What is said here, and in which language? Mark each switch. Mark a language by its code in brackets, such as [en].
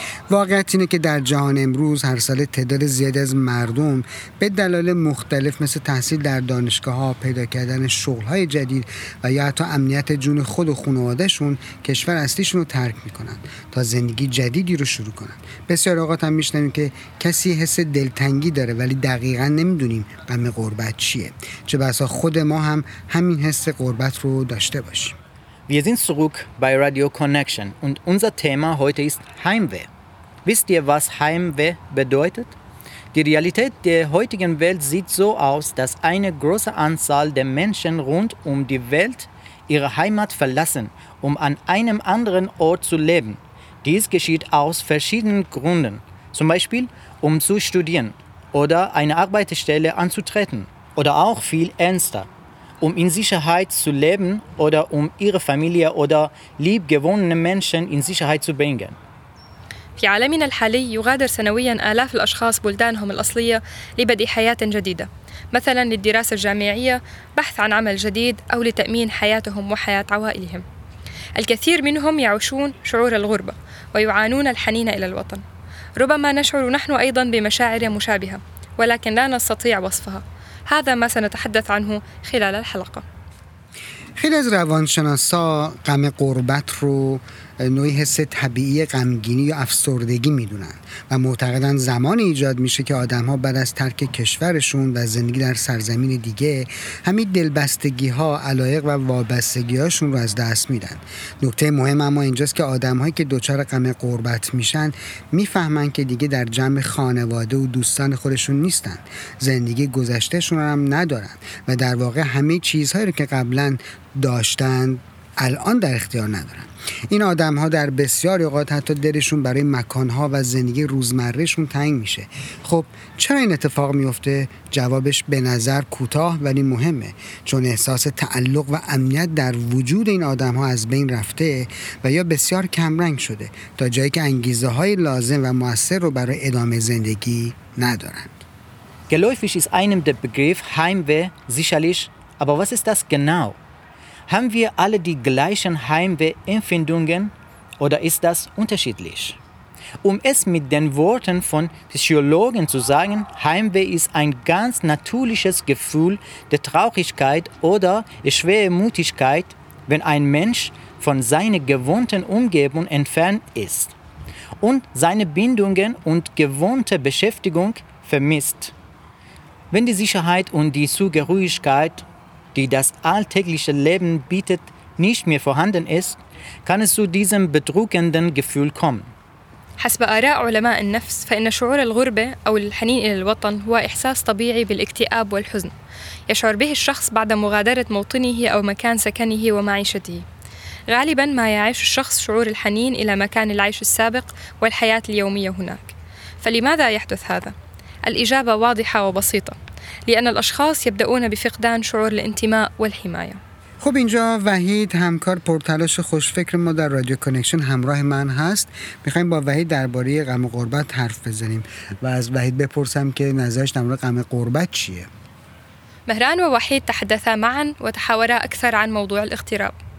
[fa] واقعیت اینه که در جهان امروز هر سال تعداد زیادی از مردم به دلایل مختلف مثل تحصیل در دانشگاه‌ها، پیدا کردن شغل‌های جدید و یا حتی امنیت جون خود و خانواده‌شون کشور اصلیشون رو ترک می‌کنن تا زندگی جدیدی رو شروع کنن. بسیار اوقات هم می‌شنویم که کسی حس دلتنگی داره ولی دقیقاً نمی‌دونیم غم غربت چیه. چه بسا خود ما هم همین حس غربت رو داشته باشیم. [de] Wir sind zurück bei Radio Connection und unser Thema heute ist Heimweh. Wisst ihr, was Heimweh bedeutet? Die Realität der heutigen Welt sieht so aus, dass eine große Anzahl der Menschen rund um die Welt ihre Heimat verlassen, um an einem anderen Ort zu leben. Dies geschieht aus verschiedenen Gründen, zum Beispiel um zu studieren oder eine Arbeitsstelle anzutreten oder auch viel ernster, um in Sicherheit zu leben oder um ihre Familie oder liebgewonnene Menschen in Sicherheit zu bringen. [ar] في عالمنا الحالي يغادر سنوياً آلاف الأشخاص بلدانهم الأصلية لبدء حياة جديدة، مثلاً للدراسة الجامعية، بحث عن عمل جديد أو لتأمين حياتهم وحياة عوائلهم. الكثير منهم يعيشون شعور الغربة ويعانون الحنين إلى الوطن. ربما نشعر نحن أيضاً بمشاعر مشابهة، ولكن لا نستطيع وصفها. هذا ما سنتحدث عنه خلال الحلقة. [fa] خیلی از روانشناسا غم غربت رو نوعی حس طبیعی غمگینی یا افسردگی میدونن و معتقدن زمانی ایجاد میشه که آدم‌ها بعد از ترک کشورشون و زندگی در سرزمین دیگه همین دلبستگی‌ها، علایق و وابستگی‌هاشون رو از دست میدن. نکته مهم اما اینجاست که آدم‌هایی که دچار غم غربت میشن میفهمن که دیگه در جمع خانواده و دوستان خودشون نیستن، زندگی گذشته‌شون هم ندارن و در واقع همه چیزهایی رو که قبلاً داشتن الان در اختیار ندارن. این آدم ها در بسیاری اوقات حتی دلشون برای مکان ها و زندگی روزمرهشون تنگ میشه. خب چرا این اتفاق میفته؟ جوابش به نظر کوتاه ولی مهمه، چون احساس تعلق و امنیت در وجود این آدم ها از بین رفته و یا بسیار کمرنگ شده تا جایی که انگیزه های لازم و مؤثر رو برای ادامه زندگی ندارن. [de] Geläufig ist einem der Begriff Heimweh sicherlich, aber was ist das genau? Haben wir alle die gleichen Heimweh-Empfindungen oder ist das unterschiedlich? Um es mit den Worten von Psychologen zu sagen, Heimweh ist ein ganz natürliches Gefühl der Traurigkeit oder der Schwermütigkeit, wenn ein Mensch von seiner gewohnten Umgebung entfernt ist und seine Bindungen und gewohnte Beschäftigung vermisst. Wenn die Sicherheit und die Zugehörigkeit, die das alltägliche Leben bietet, nicht mehr vorhanden ist, kann es zu diesem bedrückenden Gefühl kommen. [ar] حسب آراء علماء النفس فإن شعور الغربة أو الحنين إلى الوطن هو إحساس طبيعي بالاكتئاب والحزن يشعر به الشخص بعد مغادرة موطنه أو مكان سكنه ومعيشته غالباً ما يعيش الشخص شعور الحنين إلى مكان العيش السابق والحياة اليومية هناك فلماذا يحدث هذا؟ الإجابة واضحة وبسيطة لأن الأشخاص يبدأون بفقدان شعور الانتماء والحماية [fa] خب اینجا وحید همکار پرتلاش خوشفکر ما در رادیو کانکشن همراه من هست میخواییم با وحید درباره غم غربت حرف بزنیم و از وحید بپرسم که نظرش در مورد غم غربت چیه [ar] مهران و وحید تحدثا معا و تحاورا اکثر عن موضوع الاغتراب